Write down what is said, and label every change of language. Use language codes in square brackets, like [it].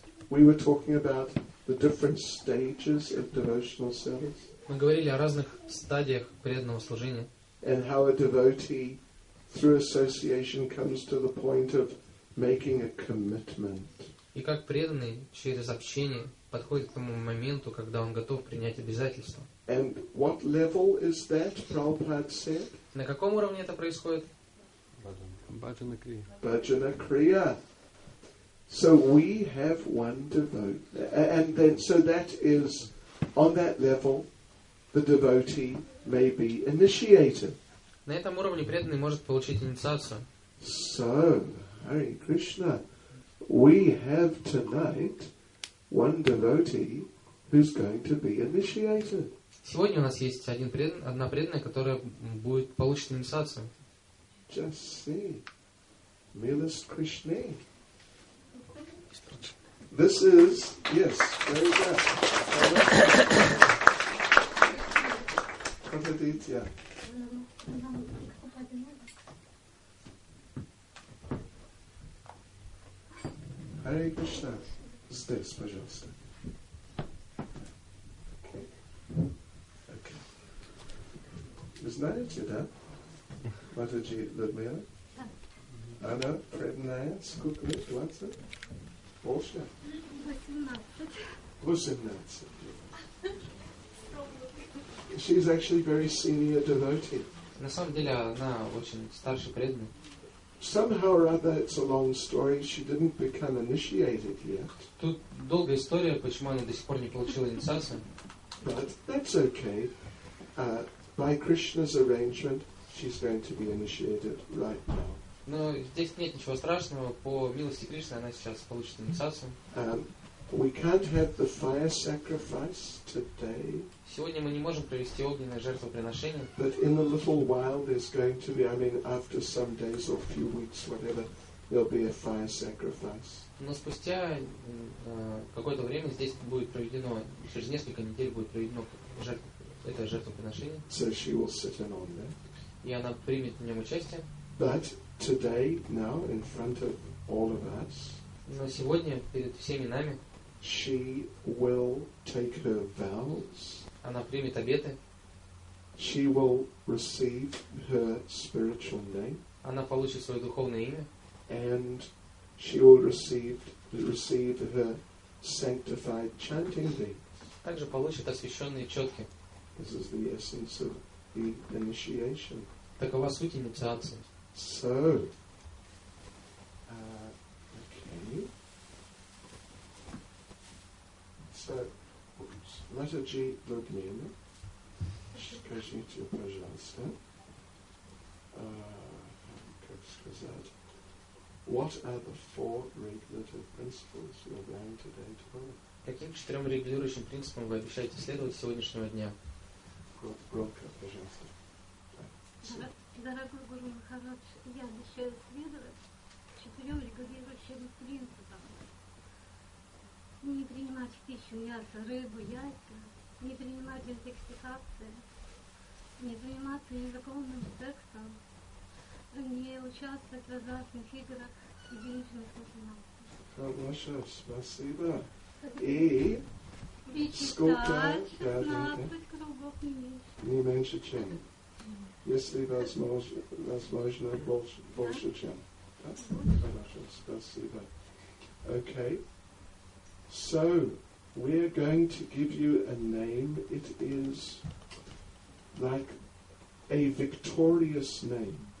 [en] We were talking about the different stages of devotional service. [ru] Мы говорили о разных стадиях преданного служения. [en] And how a devotee through association comes to the point of making a commitment. [ru] И как преданный через общение подходит к тому моменту, когда он готов принять обязательство. [en] And what level is that, Prabhupada said? [ru] На каком уровне это происходит? [en] Bhajana Kriya. Bhajana Kriya. So we have one devotee. And then, so that is, on that level, the devotee may be initiated. [ru] На этом уровне преданный может получить инициацию. [en] So, Hare Krishna, we have tonight one devotee who's going to be initiated. [ru] Сегодня у нас есть одна преданная, которая будет получить инициацию. [en] Just see. [ru] Милост Кришне. [en] This is, yes, very good. Kapaditya. [ru] Hare Krishna. Здесь, пожалуйста. Вы знаете, да? Матаджи Людмила? Да. Она преданная. Сколько лет? 20? Больше? 18. [en] She's actually very senior devotee. [ru] На самом деле, она очень старше преданная. [en] Somehow or other, it's a long story. She didn't become initiated yet. [ru] Тут долгая история, почему она до сих пор не получила инициацию. [en] But that's okay. By Krishna's arrangement, she's going to be initiated right now. [ru] Но здесь нет ничего страшного. По милости Кришны она сейчас получит инициацию. [en] We can't have the fire sacrifice today. [ru] Сегодня мы не можем провести огненное жертвоприношение. [en] But in a little while there's going to be, I mean, after some days or few weeks, whatever, there'll be a fire sacrifice. [ru] Но спустя какое-то время здесь будет проведено, через несколько недель будет проведено жертвоприношение. Это жертвоприношение. [en] So she will sit in on there. [ru] И она примет в нем участие. [en] But today, now, in front of all of us, [ru] но сегодня, перед всеми нами, [en] she will take her vows. [ru] Она примет обеты. [en] She will receive her spiritual name. [ru] Она получит свое духовное имя. [en] And she will receive her sanctified chanting beads. [ru] Также получит освященные четки. [en] This is the essence of the initiation. [ru] Такова суть инициации. [en] So, okay. So, oops. [ru] Матаджи Людмила, скажите, пожалуйста, как сказать, [en] what are the four regulative principles you're going today to follow? [ru] Каким четырем регулирующим принципам вы обещаете следовать сегодняшнего дня? Дорогой Гуру Махарадж, я обещаю следовать четырем регулирующим принципам. Не принимать в пищу мясо, рыбу, яйца, не принимать интоксикации, не заниматься незаконным сексом, не участвовать в азартных играх и денежных махинациях. Хорошо, спасибо. И сколько? 16 кругов не меньше. Не меньше, чем. Если возможно, больше, чем. Хорошо, спасибо. [en] Okay. So, we are going to give you a name. It is like a victorious name.